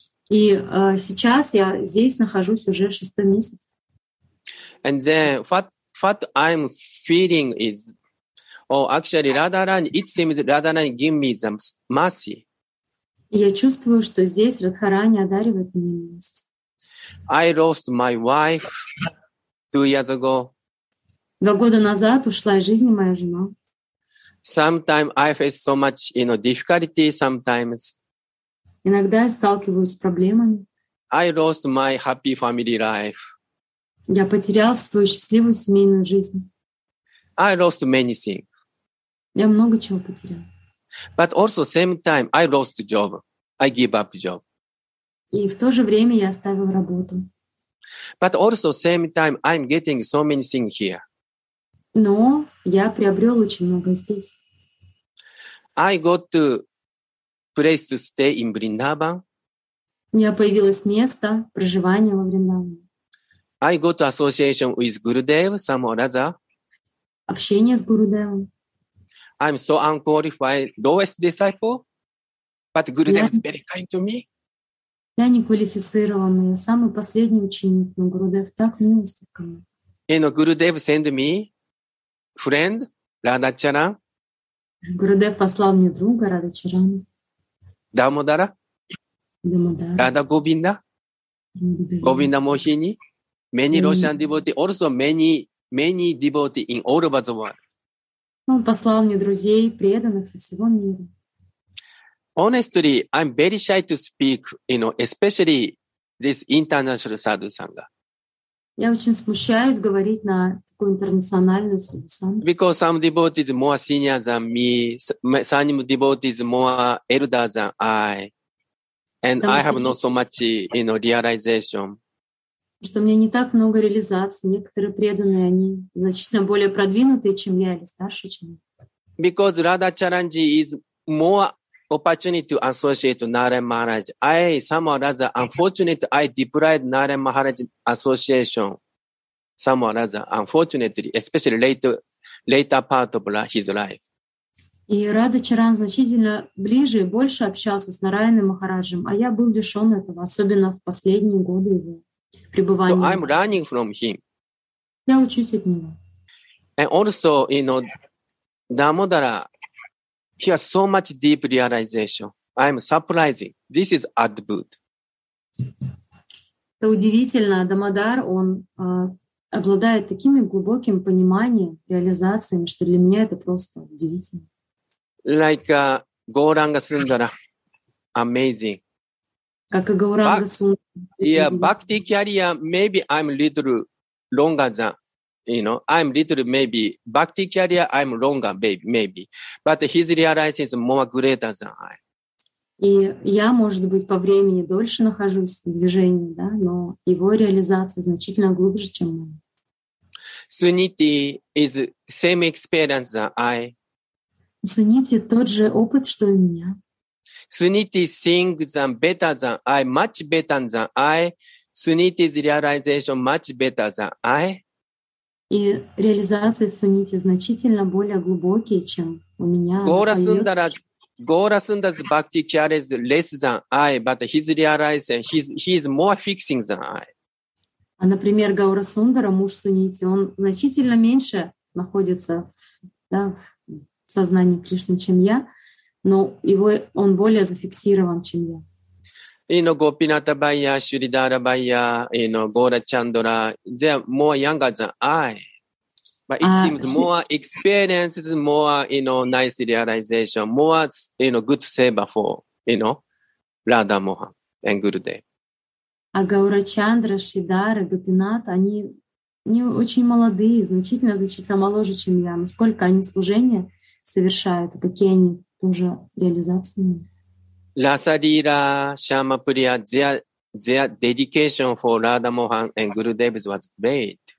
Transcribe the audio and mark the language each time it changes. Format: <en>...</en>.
<ru>И сейчас я здесь нахожусь уже шестой месяц.</ru> <en>And then what I'm feeling is, oh, actually, Radharani, it seems Radharani give me the mercy.</en> <ru>Я чувствую, что здесь Радхарани одаривает меня милостью.</ru> <en>I lost my wife 2 years ago.</en> <ru>2 года назад ушла из жизни моя жена.</ru> <en>Sometimes I face so much, you know, difficulty sometimes.</en> <ru>Иногда я сталкиваюсь с проблемами.</ru> <en>I lost my happy family life.</en> <ru>Я потерял свою счастливую семейную жизнь.</ru> <en>I lost many things.</en> <ru>Я много чего потерял.</ru> <en>But also same time I lost the job. I give up job.</en> <ru>И в то же время я оставил работу.</ru> <en>But also same time I'm getting so many things here.</en> <ru>Но я приобрел очень много здесь.</ru> <en>I got to place to stay in Vrindavan.</en> <ru>У меня появилось место проживания во Вриндаване.</ru> <en>I got association with Gurudev, some or other.</en> <ru>Общение с Гурудевом.</ru> <en>I'm so unqualified, lowest disciple, but Gurudev is very kind to me.</en> <ru>Я не квалифицированный, самый последний ученик, но Гурудев так милостив ко мне.</ru> <en>You know, Gurudev send me friend, Radhacharan.</en> <ru>Гурудев послал мне друга, Радхачаран. Дамодара. Дамодара. Радха Говинда. Говинда Мохини.</ru> <en>Many Russian devotees, also many devotees in all over the world.</en> <ru>Он послал мне друзей, преданных со всего мира.</ru> <en>Honestly, I'm very shy to speak, you know, especially this international sadhu sangha.</en> <ru>Я очень смущаюсь говорить на такую интернациональную сангу.</ru> <en>Because some devotees more senior than me, some devotees more elder than I, and I have not so much, you know, realization.</en> <ru>Что мне не так много реализации. Некоторые преданные, они значительно более продвинутые, чем я, или старше, чем я.</ru> <en>Because Radha Charanji is more opportunity to associate Narayan Maharaj. I somehow rather unfortunate, I deprived Narayan Maharaj association. Somehow rather unfortunately, especially later part of his life.</en> <ru>И Радха Чаран значительно ближе и больше общался с Нараяном Махараджем, а я был лишён этого, особенно в последние годы его.</ru> <en>So I'm learning from him.</en> <ru>Я учусь от него.</ru> <en>And also, you know, Damodara, he has so much deep realization. I'm surprising. This is Adbhut.</en> <ru>Это удивительно. Дамодар, он обладает такими глубоким пониманием, реализациями, что для меня это просто удивительно.</ru> <en>Like Gauranga Sundara. Amazing.</en> <ru>Как и Гауранга Сундара.</ru> <en>Yeah, bhakti career, maybe I'm little longer than, you know, I'm little maybe, bhakti career, I'm longer, maybe. But his realization is more greater than I.</en> <ru>И я, может быть, по времени дольше нахожусь в движении, да, но его реализация значительно глубже, чем моя.</ru> <en>Suniti is same experience than I.</en> <ru>Suniti тот же опыт, что и у меня.</ru> <en>Suniti thinks and better than I, much better than I. Suniti's realization much better than I.</en> <ru>И реализация Suniti значительно более глубокие, чем у меня.</ru> <en>Gaurasundara's bhakti care is less than I, but his realization, he's more fixing than I.</en> <ru>А, например, Gaurasundara, муж Suniti, он значительно меньше находится в сознании Кришны, чем я. Но он более зафиксирован, чем я.</ru> <en>You know, Gopinatha Bhaiya, Shridhara Bhaiya, you know, Gora Chandra, they are more younger than I. But it seems more experienced, more, you know, nice realization, more, you know, good seva for, you know, Radha Mohan and Gurudev.</en> <ru>А Гаура Чандра, Шридхара, Гопинатха, они не очень молодые, значительно моложе, чем я. Но сколько они служения совершают, какие они тоже реализации. Расарира, Шама Прия,</ru> <en>their dedication for Radha Mohan and Gurudev was great.</en>